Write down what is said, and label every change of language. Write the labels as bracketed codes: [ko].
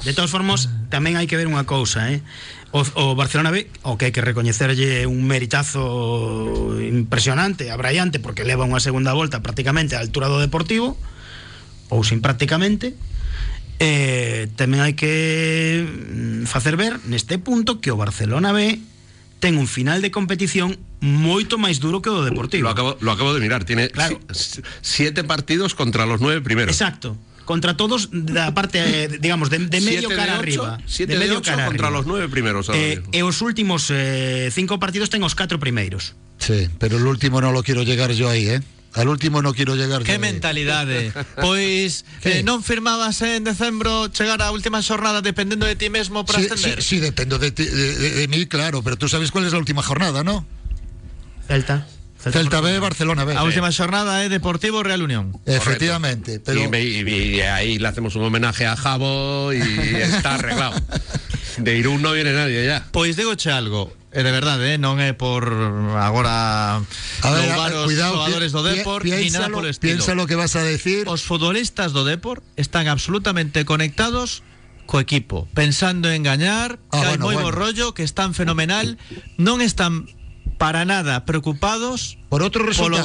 [gl] De todos formos, tamén hai que ver unha cousa, eh? O Barcelona B, o que hai que recoñecerlle un meritazo impresionante, abraiante, porque leva unha segunda volta prácticamente á altura do Deportivo, ou sin prácticamente. Tamén hai que facer ver neste punto que o Barcelona B ten un final de competición moito máis duro que o do Deportivo. [es] Lo acabo de mirar, tiene, claro, 7 partidos contra los 9 primeros. [gl] Exacto, contra todos da parte, digamos, de medio [es] siete [gl] cara de arriba. [es] 7 de 8 contra arriba. Los 9 primeros. [gl] E os últimos 5 partidos ten os 4 primeiros. [es] Sí, pero el último no lo quiero llegar yo ahí, ¿eh? Al último no quiero llegar. [gl] ¿Qué mentalidade? Pois, non firmabas en decembro chegar á última xornada dependendo de ti mesmo para ascender. [es] Sí, dependo de mí, claro, pero tú sabes cuál es la última jornada, ¿no? Celta B, Barcelona B. [gl] A última xornada, Deportivo Real Unión. [es] Efectivamente. Pero... Y ahí le hacemos un homenaje a Javo y está arreglado. De Irún no viene nadie ya. [gl] Pois, dígoche algo. De verdad, non é por agora lobar os jugadores do Depor [es] ni nada por el estilo. Piensa lo que vas a decir. [gl] Os futbolistas do Depor están absolutamente conectados co equipo, pensando en gañar, que hai moi bo rollo, que están fenomenal, non están para nada preocupados [es] por otro resultado.